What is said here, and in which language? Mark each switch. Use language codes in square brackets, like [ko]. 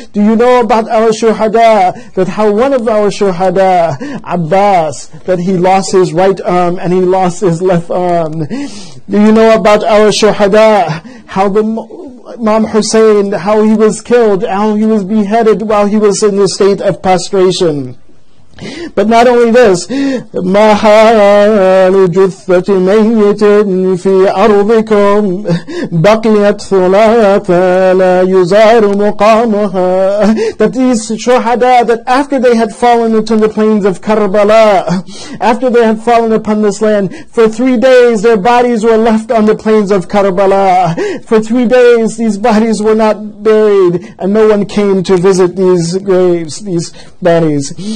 [en] Do you know about our shuhada, that how one of our shuhada, Abbas, that he lost his right arm and he lost his left arm? Do you know about our shuhada, how the Imam Hussein, how he was killed, how he was beheaded while he was in the state of prostration? But not only this, [ar] مَا حَالُ جُثَّةِ مَيِّتٍ فِي أَرْضِكُمْ بَقِيَتْ ثُلَاثَ لَا يُزَارُ مُقَامُهَا. [en] That these shuhada, that after they had fallen into the plains of Karbala, after they had fallen upon this land, for 3 days their bodies were left on the plains of Karbala. For 3 days these bodies were not buried, and no one came to visit these graves, these bodies.